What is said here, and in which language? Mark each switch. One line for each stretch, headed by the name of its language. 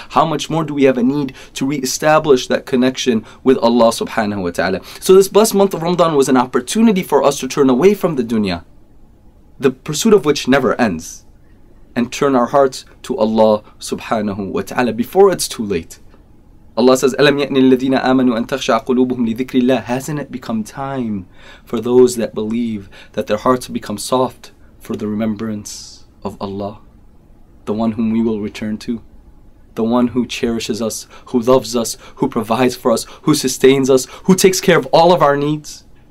English: How much more do we have a need to reestablish that connection with Allah subhanahu wa ta'ala? So this blessed month of Ramadan was an opportunity for us to turn away from the dunya, the pursuit of which never ends, and turn our hearts to Allah subhanahu wa ta'ala before it's too late. Allah says,
Arabic: أَلَمْ يَأْنِ الَّذِينَ آمَنُوا أَن تَخْشَعَ قُلُوبُهُمْ لِذِكْرِ اللَّهِ.
English: Hasn't it become time for those that believe that their hearts become soft for the remembrance of Allah, the one whom we will return to, the one who cherishes us, who loves us, who provides for us, who sustains us, who takes care of all of our needs?